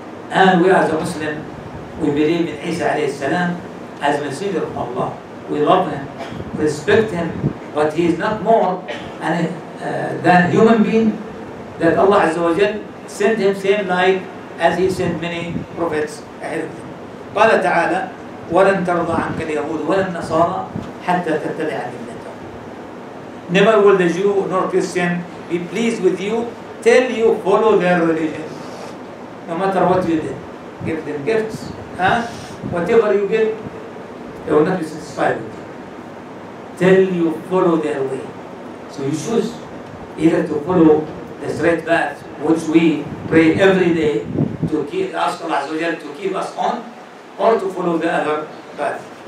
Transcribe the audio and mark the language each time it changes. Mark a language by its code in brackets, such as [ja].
[en] And we as a Muslim, we believe in Isa alayhi salam as Messenger of Allah. We love him, respect him, but he is not more than a human being that Allah Azza wa Jal sent him same night as he sent many prophets ahead of him. [ar] قال تعالى وَلَن تَرْضَ عَنْكَ الْيَهُودُ وَلَا النَّصَارَى حَتَّى تَتَّبِعَ مِلَّتَهُمْ. [en] Never will the Jew nor Christian be pleased with you till you follow their religion. No matter what you did, give them gifts, whatever you give, they will not be satisfied with you. Till you follow their way. So you choose either to follow the straight path, which we pray every day to keep, ask Allah Azza wa Jalla to keep us on, or to follow the other path.